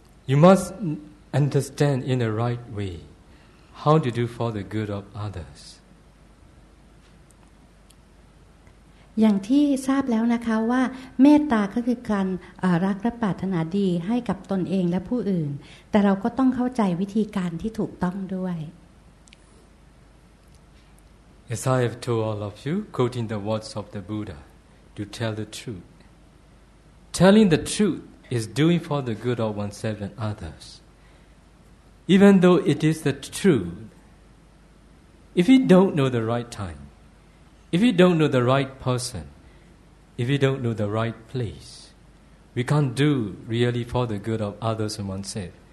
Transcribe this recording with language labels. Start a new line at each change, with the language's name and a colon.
English: You must understand in the right way how to do for the good of others.
Thai: อย่างที่ทราบแล้วนะคะว่าเมตตาก็คือการรักและปรารถนาดีให้กับตนเองและผู้อื่นแต่เราก็ต้องเข้าใจวิธีการที่ถูกต้องด้วย
English: As I have told all of you, quoting the words of the Buddha, to tell the truth. Telling the truth is doing for the good of oneself and others. Even though it is the truth, if you don't know the right time,If you don't know the right person, if you don't know the right place, we can't do really for the good of others and oneself.